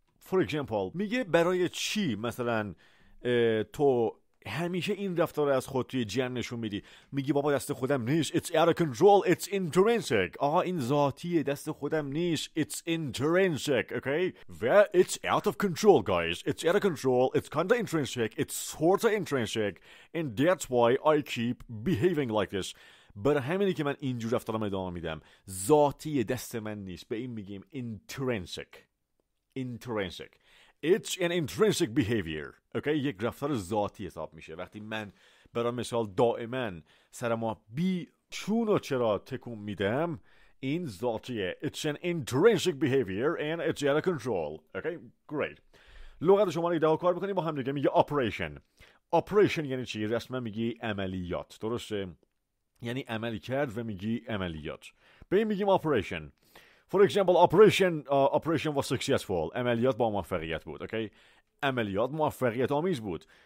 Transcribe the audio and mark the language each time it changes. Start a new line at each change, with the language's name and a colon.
English: For example
Persian: میگه برای چی مثلا تو همیشه این رفتار از خود توی جمع نشون میدی؟ میگی بابا دست خودم نیست،
English: It's out of control, it's intrinsic.
Persian: آقا این ذاتیه، دست خودم نیست،
English: It's intrinsic. Okay? Where it's out of control, guys. It's out of control, it's kind of intrinsic, it's sort of intrinsic. And that's why I keep behaving like this.
Persian: برای همینی که من اینجور رفتارم ادامه میدم، ذاتیه، دست من نیست. به این میگیم intrinsic. Intrinsic.
English: It's an intrinsic behavior.
Persian: Okay, یک رفتار ذاتی حساب میشه. وقتی من برای مثال دائما سرما بی چون و چرا تکون میدم، این ذاتیه.
English: It's an intrinsic behavior and it's out of control. Okay, great.
Persian: لغت شما رو کار بکنی با هم دیگه، میگه operation. Operation یعنی چی؟ رسما میگی عملیات. درسته؟ یعنی عملی کرد و میگی عملیات. به این میگیم
English: operation. For example, operation was successful.
Persian: عملیات با موفقیت بود. Okay? عملیات موفقیت آمیز بود.